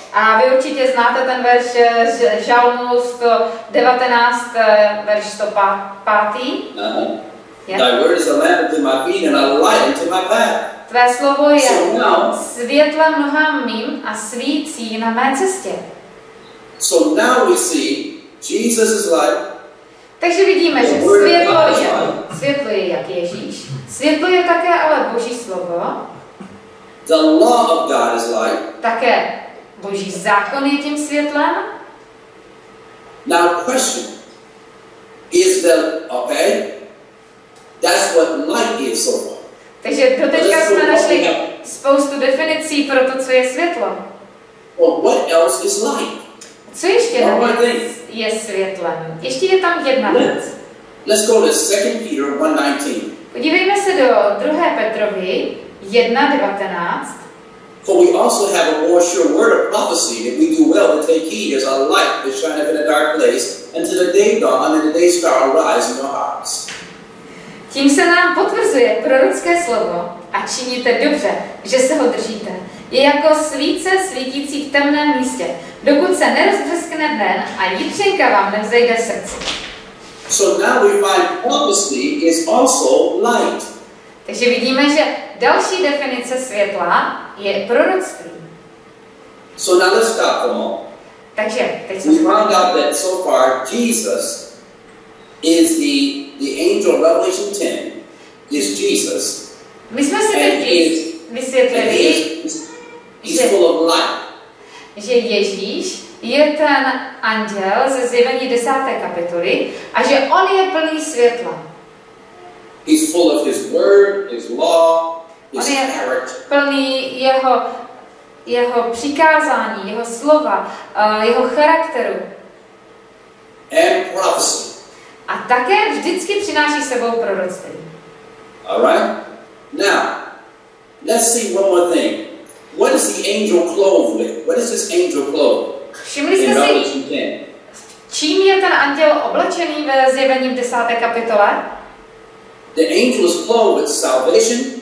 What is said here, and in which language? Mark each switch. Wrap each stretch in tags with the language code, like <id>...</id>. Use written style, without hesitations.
<cs>A vy určitě znáte ten verš z Žalmu 119, verš 105.</cs> <en>Thy word is a lamp unto my feet and a light unto my path.</en> <cs>Tvé slovo je světlem nohám mým a svící na mé cestě.</cs> <en>So now we see Jesus is light.</en> <cs>Takže vidíme, že světlo je jak Ježíš. Světlo je také ale Boží slovo.</cs> <en>The law of God is light.</en> <cs>Také Boží zákon je tím světlem.</cs> <en>Now question. Is the okay? That's what light is so far.</en> <cs>Takže doteďka jsme našli spoustu definicí pro to, co je světlo.</cs> <en>Well, what else is light?</en> <cs>Co ještě navíc je světlem? Ještě je tam jedna věc.</cs> <en>Let's go to 2 Peter 1:19.</en> <cs>Podívejme se do 2. Petrovi 1:19.</cs> <en>For we also have a more sure word of prophecy, and we do well to take heed as our light that shineth in a dark place, until the day dawn and the day star arise in your hearts.</en> <cs>Tím se nám potvrzuje prorocké slovo a činíte dobře, že se ho držíte. Je jako svíce svítící v temném místě, dokud se nerozbrzkne den a jitřenka vám nevzejde srdce.</cs> <en>So now we find prophecy is also light.</en> <cs>Takže vidíme, že další definice světla je proroctví.</cs> <en>So now let's stop for a moment.</en> <cs>Takže teď</cs> <en>we found out that so far Jesus is the angel of Revelation 10 is Jesus.</en> <cs>My jsme se teď vysvětlili,</cs> <en>he's full of light.</en> <cs>Že Ježíš je ten anděl ze Zjevení 10. kapitoly a že on je plný světla.</cs> <en>He's full of his word, his law, his character.</en> <cs>On je plný jeho přikázání, jeho slova, jeho charakteru.</cs> <en>And prophecy.</en> <cs>A také vždycky přináší sebou proroctví.</cs> <en>All right. Now, let's see one more thing. What is the angel clothed with? What is this angel clothed?</en> <cs>Všimli jste si, čím je ten anděl oblečený ve Zjevení 10. kapitole?</cs> <en>The angel is clothed with salvation.</en>